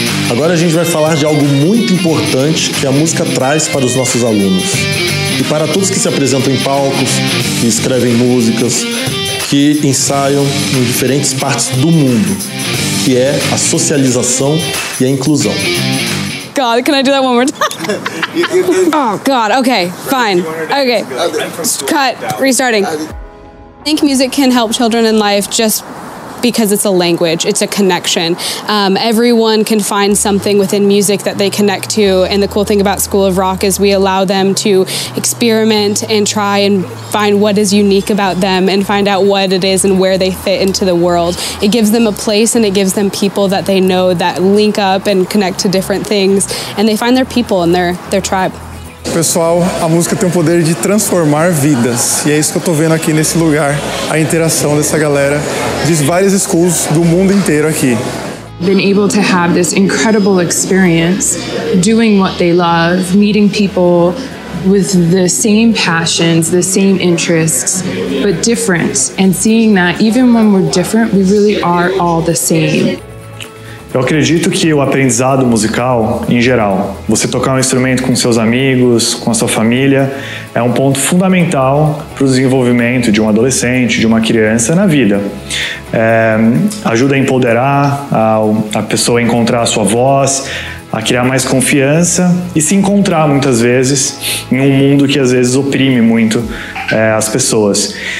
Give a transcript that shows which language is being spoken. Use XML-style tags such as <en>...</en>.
<pt>Agora a gente vai falar de algo muito importante que a música traz para os nossos alunos. E para todos que se apresentam em palcos, que escrevem músicas, que ensaiam em diferentes partes do mundo, que é a socialização e a inclusão.</pt> <en>God, can I do that one more time? Oh, God, okay, fine. Okay, cut, restarting. I think music can help children in life just because it's a language, it's a connection. Everyone can find something within music that they connect to, and the cool thing about School of Rock is we allow them to experiment and try and find what is unique about them and find out what it is and where they fit into the world. It gives them a place and it gives them people that they know that link up and connect to different things, and they find their people and their tribe.</en> <pt>Pessoal, a música tem o poder de transformar vidas. E é isso que eu tô vendo aqui nesse lugar, a interação dessa galera de várias schools do mundo inteiro aqui.</pt> <en>Been able to have this incredible experience doing what they love, meeting people with the same passions, the same interests, but different. And seeing that even when we're different, we really are all the same.</en> <pt>Eu acredito que o aprendizado musical, em geral, você tocar um instrumento com seus amigos, com a sua família, é um ponto fundamental para o desenvolvimento de um adolescente, de uma criança na vida. É, ajuda a empoderar a pessoa a encontrar a sua voz, a criar mais confiança e se encontrar, muitas vezes, em um mundo que, às vezes, oprime muito as pessoas.</pt>